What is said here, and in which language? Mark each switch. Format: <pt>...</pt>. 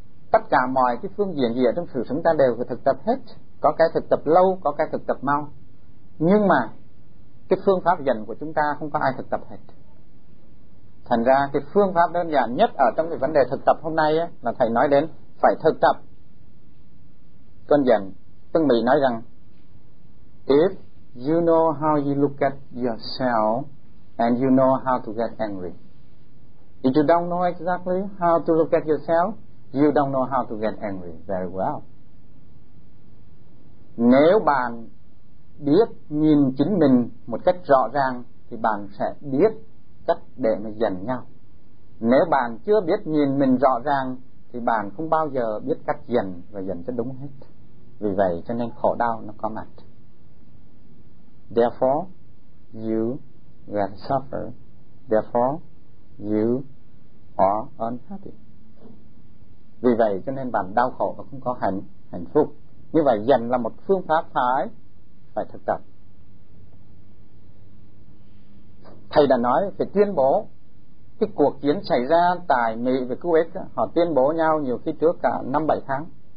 <vi>Tất cả mọi cái phương diện gì ở trong sự sống ta đều phải thực tập hết. Có cái thực tập lâu, có cái thực tập mau, nhưng mà cái phương pháp dành của chúng ta không có ai thực tập hết. Thành ra cái phương pháp đơn giản nhất ở trong cái vấn đề thực tập hôm nay ấy, là thầy nói đến phải thực tập cơn giận. Tân Mỹ nói rằng</vi> <en>if you know how you look at yourself and you know how to get angry, if you don't know exactly how to look at yourself, you don't know how to get angry very well.</en> <vi>Nếu bạn biết nhìn chính mình một cách rõ ràng thì bạn sẽ biết cách để mà giận nhau. Nếu bạn chưa biết nhìn mình rõ ràng thì bạn không bao giờ biết cách giận và giận cho đúng hết. Vì vậy cho nên khổ đau nó có mặt.</vi> <en>Therefore you will suffer, therefore you are unhappy.</en> <vi>Vì vậy cho nên bạn đau khổ và không có hạnh phúc. Như vậy giận là một phương pháp phải thực tập. Thầy đã nói phải tuyên bố cái cuộc chiến xảy ra tại Mỹ và Kuwait, họ tuyên bố nhau nhiều khi trước cả 5-7 tháng.</vi>